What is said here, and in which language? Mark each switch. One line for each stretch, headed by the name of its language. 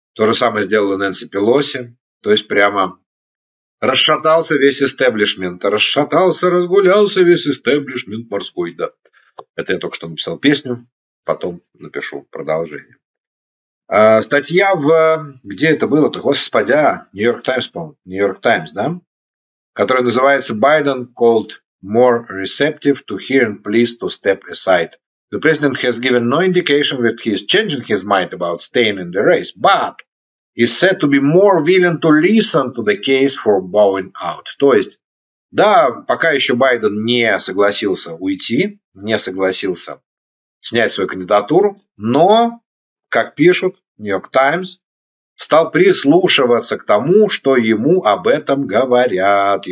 Russian: То же самое сделала Нэнси Пелоси, то есть прямо расшатался весь истеблишмент, разгулялся весь истеблишмент морской, да. Это я только что написал песню, потом напишу продолжение. А, статья в... Где это было-то? Господи, Нью-Йорк Таймс, по-моему. Нью-Йорк Таймс, да? Которая называется
English: «Biden called more receptive to hearing pleas to step aside. The president has given no indication that he is changing his mind about staying in the race, but is said to be more willing to listen to the case for bowing out».
Russian: То есть, да, пока еще Байден не согласился уйти, не согласился снять свою кандидатуру, но, как пишут New York Times, стал прислушиваться к тому, что ему об этом говорят.